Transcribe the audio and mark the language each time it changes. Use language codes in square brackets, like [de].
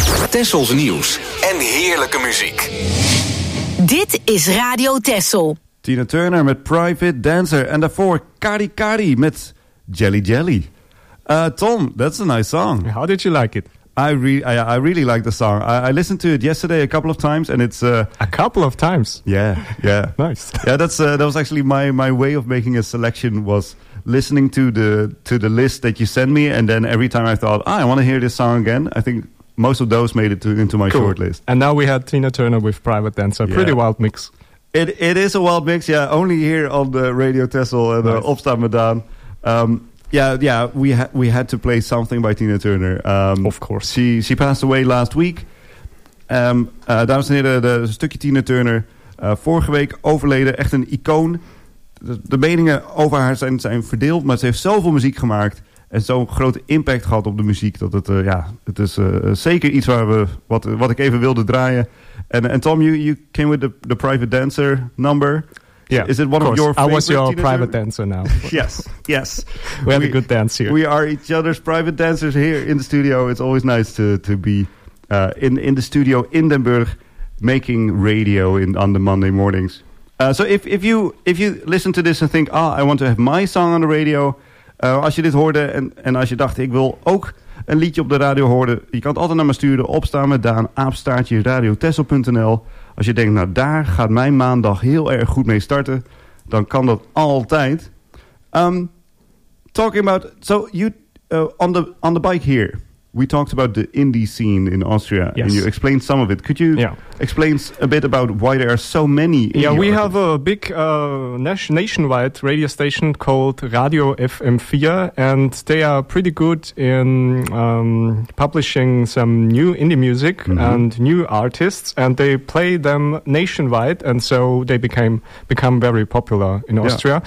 [nl] Tessels nieuws en heerlijke muziek. Dit is Radio Tessel. Tina Turner met Private Dancer. En daarvoor Kari Kari met Jelly Jelly. [en] Tom, that's a nice song. How did you like it? I really like the song. I listened to it yesterday a couple of times, and it's... A couple of times? Yeah, yeah. Nice. Yeah, that was actually my way of making a selection, was listening to the list that you sent me, and then every time I thought, I want to hear this song again, I think... Most of those made it into my cool. shortlist. And now we had Tina Turner with Private Dancer. Yeah. Pretty wild mix. It is a wild mix, yeah. Only here on the Radio Tessel and nice. Opstaan Madaan. We had to play something by Tina Turner. Of course. She passed away last week. [nl] Dames en heren, de stukje Tina Turner. Vorige week overleden, echt een icoon. De meningen over haar zijn verdeeld, maar ze heeft zoveel muziek gemaakt... En zo'n grote impact gehad op de muziek. Dat het, het is zeker iets waar we wat ik even wilde draaien. [en] En Tom, you came with the Private Dancer number. Yeah, is it one of your favorite? I was your private dancer now. yes. We had a good dance here. We are each other's private dancers here in the studio. It's always nice to be in the studio in Den Burg, making radio on the Monday mornings. So if you listen to this and think, I want to have my song on the radio... [nl] Als je dit hoorde en als je dacht, ik wil ook een liedje op de radio horen, je kan het altijd naar me sturen. Opstaan met Daan, @ radiotessel.nl. Als je denkt, nou daar gaat mijn maandag heel erg goed mee starten, dan kan dat altijd. [en] Talking about, so you on the bike here, we talked about the indie scene in Austria. Yes. And you explained some of it. Could you explain a bit about why there are so many indie Yeah, we have a big nationwide radio station called Radio FM4, and they are pretty good in publishing some new indie music and new artists, and they play them nationwide, and so they become very popular in Austria.